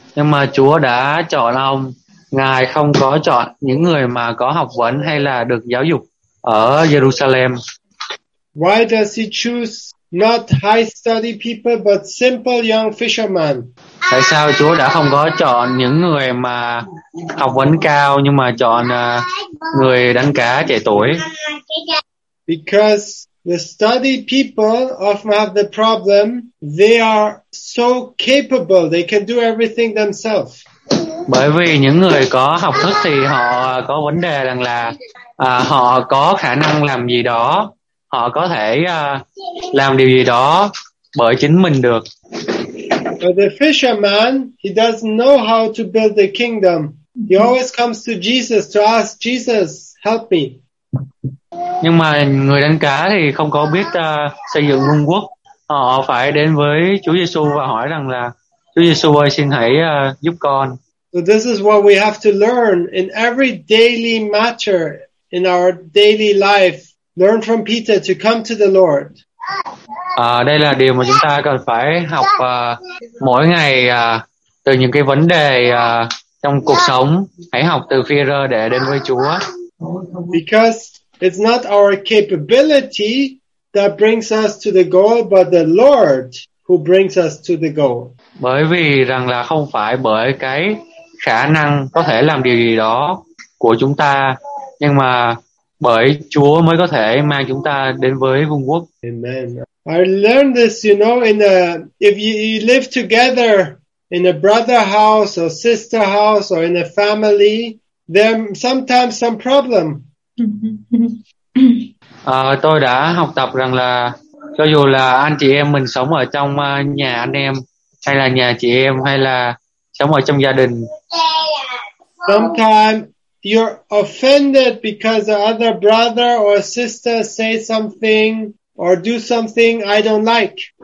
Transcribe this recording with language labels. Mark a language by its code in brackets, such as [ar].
[vi] Nhưng mà Chúa đã chọn ông. Ngài không có chọn những người mà có học vấn hay là được giáo dục ở Jerusalem. [en] Why does he choose not high study people but simple young fishermen? [vi] Tại sao Chúa đã không có chọn những người mà học vấn cao nhưng mà chọn người đánh cá trẻ tuổi? [en] Because the study people often have the problem they are so capable, they can do everything themselves. [vi] Bởi vì những người có học thức thì họ có vấn đề rằng là họ có khả năng làm gì đó, họ có thể làm điều gì đó bởi chính mình được. [en] But the fisherman, he doesn't know how to build the kingdom. He always comes to Jesus to ask Jesus, help me. [vi] Nhưng mà người đánh cá thì không có biết xây dựng vương quốc. Họ phải đến với Chúa Giêsu và hỏi rằng là Chúa Giêsu ơi, xin hãy giúp con. [en] So this is what we have to learn in every daily matter in our daily life. Learn from Peter to come to the Lord. [vi] À, đây là điều mà chúng ta cần phải học mỗi ngày từ những cái vấn đề trong cuộc sống. Hãy học từ Phi-rơ để đến với Chúa. [en] Because it's not our capability that brings us to the goal, but the Lord who brings us to the goal. [vi] Bởi vì rằng là không phải bởi cái khả năng có thể làm điều gì đó của chúng ta, nhưng mà bởi Chúa mới có thể mang chúng ta đến với vương quốc. [en] Amen. I learned this, you know, in a, if you live together in a brother house or sister house or in a family, there sometimes some problem. [vi] Tôi đã học tập rằng là cho dù là anh chị em mình sống ở trong nhà anh em hay là nhà chị em hay là sống ở trong gia đình. [en] Sometimes you're offended because the other brother or sister say something or do something I don't like.